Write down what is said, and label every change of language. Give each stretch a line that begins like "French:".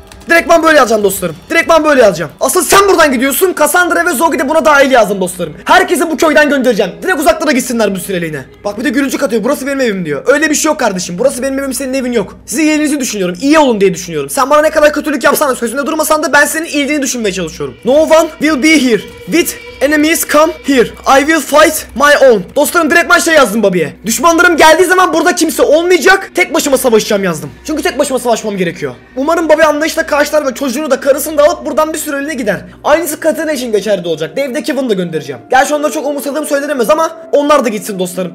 Turkish: Direktman böyle yazacağım dostlarım. Direktman böyle yazacağım. Asıl sen buradan gidiyorsun. Cassandra ve Zogi de buna dahil yazdım dostlarım. Herkesi bu köyden göndereceğim. Direkt uzaklara gitsinler bu süreliğine. Bak bir de gülücük atıyor. Burası benim evim diyor. Öyle bir şey yok kardeşim. Burası benim evim, senin evin yok. Sizin iyiliğinizi düşünüyorum. İyi olun diye düşünüyorum. Sen bana ne kadar kötülük yapsan da, sözünde durmasan da ben senin iyiliğini düşünmeye çalışıyorum.
English: No one will be here with enemies come here. I will fight my own.
Turkish: Dostlarım direktman şey yazdım Bobby'ye. Düşmanlarım geldiği zaman burada kimse olmayacak. Tek başıma savaşacağım yazdım. Çünkü tek başıma savaşmam gerekiyor. Umarım Bobby anlayışla karşılar ve çocuğunu da karısını da alıp buradan bir süreliğine gider. Aynısı Katarina için geçerli olacak. Dave'de Kevin'i da göndereceğim. Gerçi onları çok umursadığım söylenemez ama onlar da gitsin dostlarım.